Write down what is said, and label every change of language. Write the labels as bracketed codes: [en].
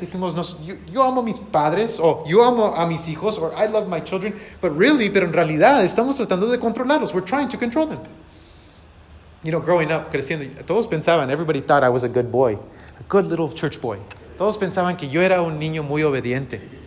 [es] Dijimos, yo amo a mis padres, o yo amo a mis hijos, [en] or I love my children. [es] Pero en realidad, estamos tratando de controlarlos. [en] We're trying to control them. You know, growing up, creciendo, [es] todos pensaban, [en] everybody thought I was a good boy, a good little church boy. [es] Todos pensaban que yo era un niño muy obediente.